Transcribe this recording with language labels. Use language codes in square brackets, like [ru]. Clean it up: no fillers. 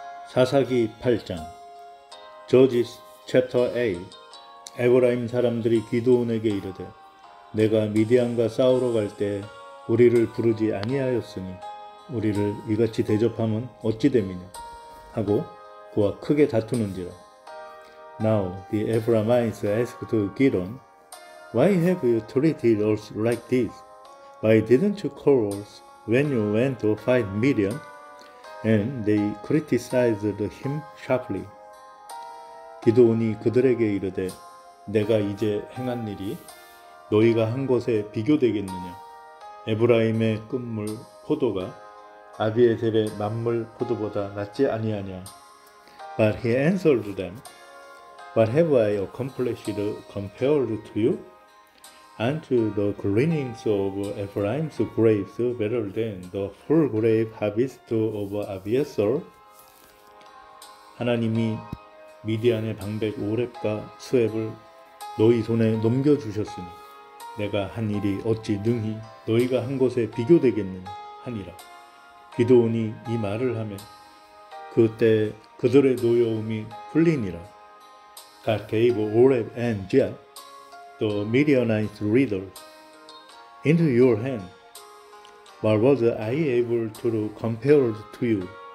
[ko] 사사기 8장 [en] Judges Chapter 8 [ko] 에브라임 사람들이 기드온에게 이르되 내가 미디안과 싸우러 갈 때 우리를 부르지 아니하였으니 우리를 이같이 대접하면 어찌 됨이냐 하고 그와 크게 다투는지라. [en] Now the Ephraimites asked Gideon, Why have you treated us like this? Why didn't you call us when you went to fight Midian? And they criticized him sharply. [ko] 기드온이 그들에게 이르되 내가 이제 행한 일이 너희가 한 것에 비교되겠느냐? 에브라임의 끝물 포도가 아비에셀의 만물 포도보다 낫지 아니하냐? [en] But he answered them, What have I accomplished compared to you? Aren't the gleanings of Ephraim's graves better than the full grave harvest of Abiezer? [ko] 하나님이 미디안의 방백 오렙과 수엡을 너희 손에 넘겨주셨으니 내가 한 일이 어찌 능히 너희가 한 것에 비교되겠느냐 하니라. 기드온이 이 말을 하며 그때 그들의 노여움이 풀리니라. [en] God gave Oreb and Jeb, the Midianite leaders, into your hand. What was I able to do compared to you?